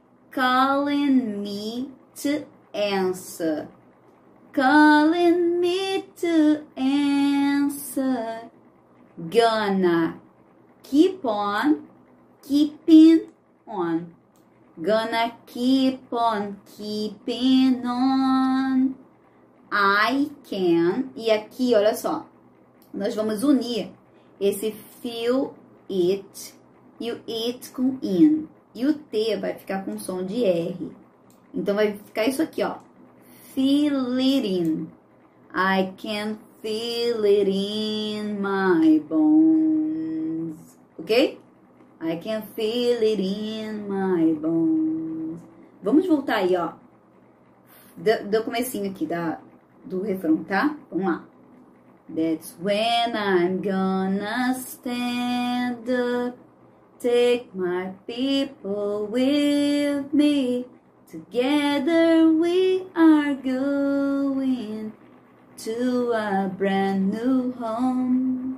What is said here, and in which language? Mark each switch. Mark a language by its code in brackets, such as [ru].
[en] Calling me to answer, calling me to answer. Gonna keep on keeping on, gonna keep on keeping on. I can, [pt] e aqui olha só, nós vamos unir esse feel it e o it com in, e o T vai ficar com som de R. Então, vai ficar isso aqui, ó. [en] Feel it in. I can feel it in my bones. Ok? I can feel it in my bones. [pt] Vamos voltar aí, ó. Do comecinho aqui do refrão, tá? Vamos lá. [en] That's when I'm gonna stand up, take my people with me. Together we are going to a brand new home.